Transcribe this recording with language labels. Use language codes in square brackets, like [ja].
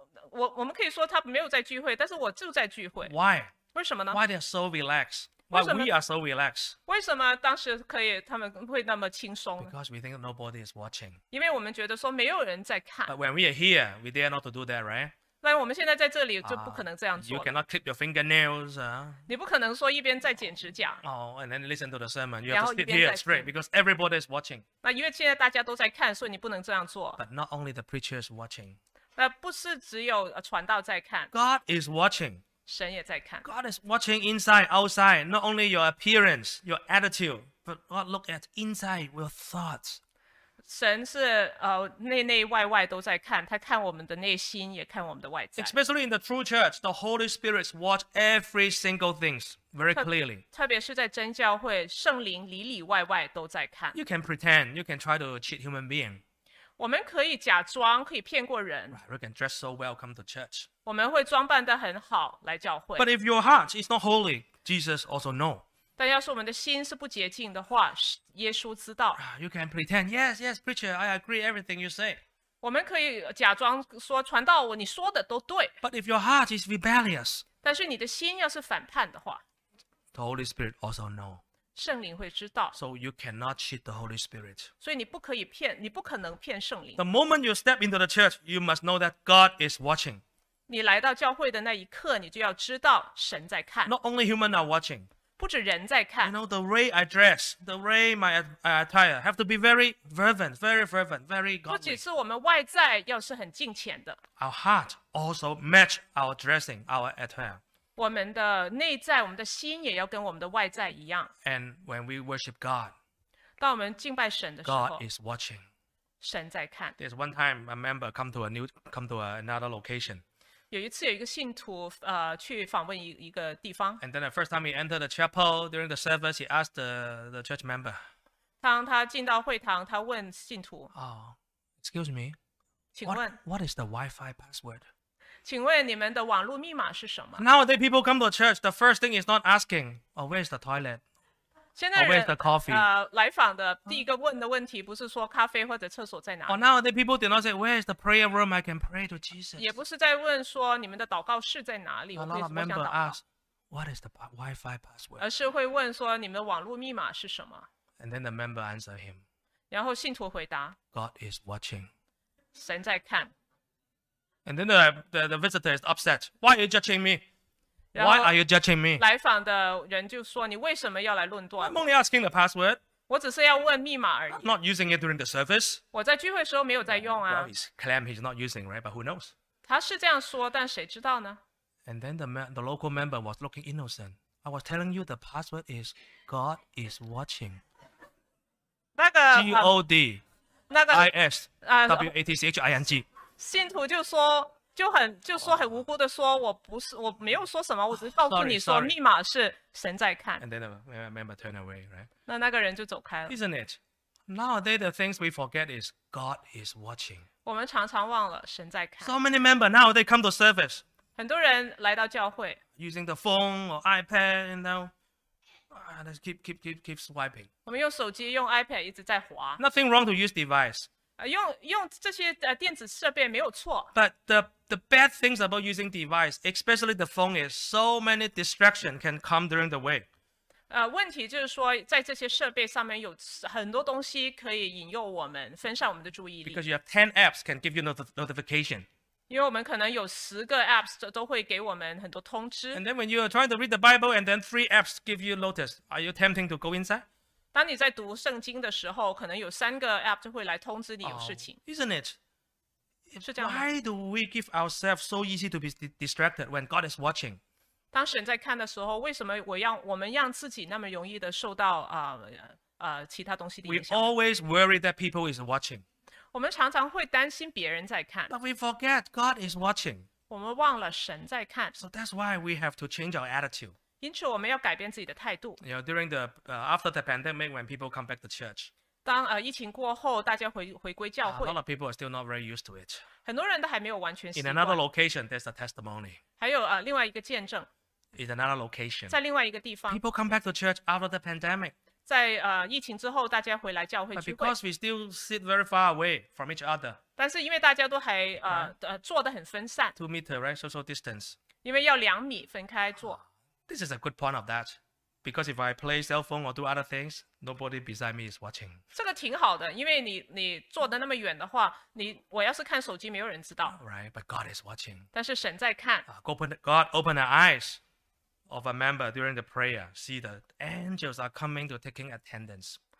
[zh] 我们可以说他没有在聚会，但是我就在聚会。 [en] Why? [zh] 为什么呢？ [en] Why they are so relaxed? Why we are so relaxed? [zh] 为什么当时可以他们会那么轻松？ [en] Because we think nobody is watching. [zh] 因为我们觉得说没有人在看。 [en] But when we are here, we dare not to do that, right? [zh] 那我们现在在这里就不可能这样做。 [en] You cannot clip your fingernails. [zh] 你不可能说一边在剪指甲。 [en] Oh, and then listen to the sermon. You have to sit here straight because everybody is watching. [zh] 那因为现在大家都在看，所以你不能这样做。 [en] But not only the preacher is watching. [zh] 那不是只有传道在看。 [en] God is watching. [zh] 神也在看。 [en] God is watching inside, outside. Not only your appearance, your attitude, but God look at inside your thoughts. [zh] 神是内内外外都在看，他看我们的内心，也看我们的外在。 [en] Especially in the true church, the Holy Spirit watch every single things very clearly. [zh] 特别是在真教会，圣灵里里外外都在看。 [en] You can pretend, you can try to cheat human being. [zh] 我们可以假装，可以骗过人。 [en] Right, we can dress so well come to church. [zh] 我们会装扮得很好来教会。 [en] But if your heart is not holy, Jesus also know. [zh] 但要是我们的心是不洁净的话，耶稣知道。 [en] You can pretend, yes, yes, preacher, I agree everything you say. [zh] 我们可以假装说，传道，你说的都对。 [en] But if your heart is rebellious, [zh] 但是你的心要是反叛的话， [en] the Holy Spirit also know. [zh] 圣灵会知道。 [en] So you cannot cheat the Holy Spirit. [zh] 所以你不可以骗，你不可能骗圣灵。 [en] The moment you step into the church, you must know that God is watching. [zh] 你来到教会的那一刻，你就要知道神在看。 [en] Not only humans are watching. [zh] 不止人在看。 [en] You know, the way I dress, the way my attire have to be very fervent, very fervent, very godly. [zh] 不仅是我们外在要是很敬虔的。 [en] Our heart also match our dressing, our attire. [zh] 我们的内在，我们的心也要跟我们的外在一样。 [en] And when we worship God, [zh] 当我们敬拜神的时候， [en] God is watching. [zh] 神在看。 [en] There's one time a member come to another location. [zh] 有一次有一个信徒去访问一个地方。 [en] And then the first time he entered the chapel during the service, he asked the church member. [zh] 他当他进到会堂，他问信徒 [en] 啊、，Excuse me， [zh] 请问 [en] What is the Wi-Fi password？ [zh] 请问你们的网络密码是什么 [en] ？Nowadays people come to church. The first thing is not asking, "Oh, where's the toilet?" [zh] 现在人 [en] "Oh, where's the coffee?" [zh] 来访的第一个问的问题不是说咖啡或者厕所在哪里。 [en] Oh, nowadays people do not say, "Where's the prayer room? I can pray to Jesus." [zh] 也不是在问说你们的祷告室在哪里。 [en] A lot of members ask, "What is the Wi-Fi password?" [zh] 而是会问说你们的网络密码是什么。 [en] And then the member answered him. [zh] 然后信徒回答 [en] God is watching. [zh] 神在看。 [en] And then the visitor is upset. Why are you judging me? Why are you judging me? [zh] 来访的人就说你为什么要来论断 [en] I'm only asking the password. [zh] 我只是要问密码而已 [en] I'm not using it during the service. [zh] 我在聚会时候没有在用啊 [en] Well, he's claim he's not using, right? But who knows? [zh] 他是这样说但谁知道呢 [en] And then the local member was looking innocent. I was telling you the password is God is watching. G-O-D-I-S-W-A-T-C-H-I-N-G [zh] 信徒就说 就很无辜的说我不是我没有说什么我只是告诉你说密码是神在看 [en] And then the member turned away, right? [zh] 那个人就走开了 [en] Isn't it? Nowadays the things we forget is God is watching [zh] 我们常常忘了神在看 [en] So many members nowadays come to service [zh] 很多人来到教会 [en] Using the phone or iPad, you know Let's keep swiping. [zh] 我们用手机、用 iPad 一直在滑。 [en] Nothing wrong to use device. [zh] 用这些电子设备没有错。 [en] But the bad things about using device, especially the phone, is so many distraction can come during the week. [zh] 问题就是说，在这些设备上面有很多东西可以引诱我们，分散我们的注意力。 [en] Because you have 10 apps can give you notification. [zh] 因为我们可能有十个 apps 都会给我们很多通知。 [en] And then when you are trying to read the Bible, and then three apps give you notice, are you tempting to go inside? [zh] 当你在读圣经的时候，可能有三个 app 就会来通知你有事情。 [en] Oh, isn't it? [zh] 是这样吗 [en] Why do we give ourselves so easy to be distracted when God is watching? [zh] 当神在看的时候，为什么我们让自己那么容易的受到其他东西的影响 [en] ？We always worry that people is watching. [zh] 我们常常会担心别人在看 [en] But we forget God is watching [zh] 我们忘了神在看 [en] So that's why we have to change our attitude [zh] 因此我们要改变自己的态度 [en] You know, during the, after the pandemic when people come back to church [zh] 当疫情过后大家回归教会 [en] A lot of people are still not very used to it [zh] 很多人都还没有完全习惯 [en] In another location, there's a testimony [zh] 还有另外一个见证 [en] In another location [zh] 在另外一个地方 [en] People come back to church after the pandemic [zh] 在疫情之后，大家回来教会聚会。 [en] But because we still sit very far away from each other. [zh] 但是因为大家都还坐得很分散。 [en] Two meter, right? Social distance. [zh] 因为要两米分开坐。 [en] This is a good point of that, because if I play cell phone or do other things, nobody beside me is watching. [zh] 这个挺好的，因为你坐得那么远的话，我要是看手机，没有人知道。 [en] Right, but God is watching. [zh] 但是神在看。 [en] God opened the eyes. Of a member during the prayer, see the angels are coming to taking attendance.